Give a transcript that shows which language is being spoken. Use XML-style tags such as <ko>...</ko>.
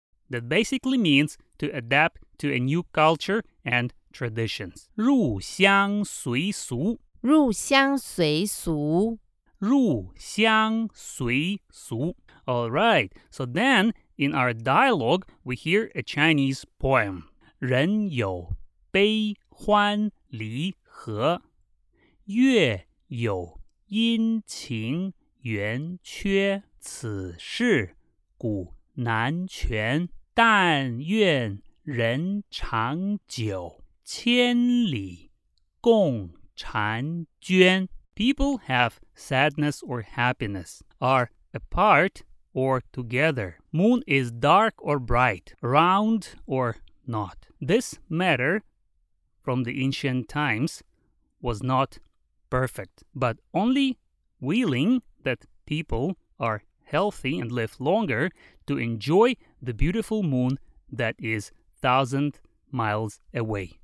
<en>that basically means to adapt to a new culture and traditions.</en> <zh>入乡随俗, 入乡随俗, 入乡随俗。</zh> <en>All right, so then in our dialogue, we hear a Chinese poem.</en> <zh>人有悲欢离合，月有阴晴圆缺，此事古难全。但愿人长久，千里共婵娟。</zh> <en>People have sadness or happiness, are apart or together. Moon is dark or bright, round or not. This matter from the ancient times was not perfect, but only willing that people are healthy and live longer to enjoy the beautiful moon that is 1,000 miles away.</en>